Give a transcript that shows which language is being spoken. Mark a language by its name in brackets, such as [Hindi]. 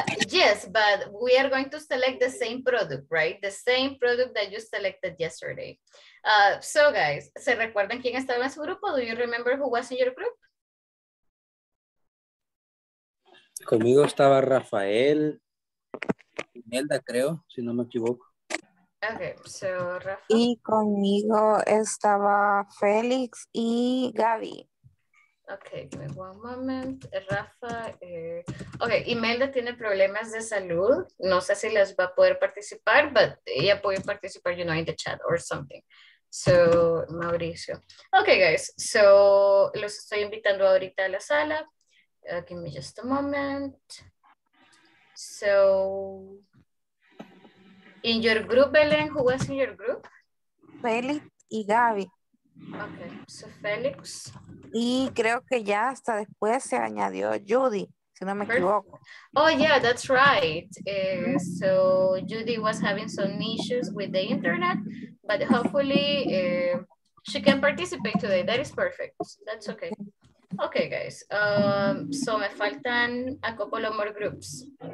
[English] Yes, but we are going to select the same product, right? The same product that you selected yesterday. So, guys, [Spanish] ¿se recuerdan quién estaba en su grupo? [English] Do you remember who was in your group? [Spanish] Conmigo estaba Rafael, Imelda, creo, si no me equivoco. [English] Okay, so Rafael. [Spanish] Y conmigo estaba Félix y Gaby. [English] Okay, one moment, Rafa. Okay, Imelda [Spanish] tiene problemas de salud. No sé si les va a poder participar, but ella puede participar, [English] you know, in the chat or something. So, Mauricio. Okay, guys, so [Spanish] los estoy invitando ahorita a la sala. [English] Give me just a moment. So, in your group, Belen, who was in your group? [Spanish] Félix y Gaby. [English] Okay, so Félix. [Spanish] Y creo que ya hasta después se añadió Judy, si no me equivoco. [English] Oh, yeah, that's right. So, Judy was having some issues with the internet, but hopefully she can participate today. That is perfect. That's okay. Okay, guys. So [Spanish] me faltan [English] a couple of more groups.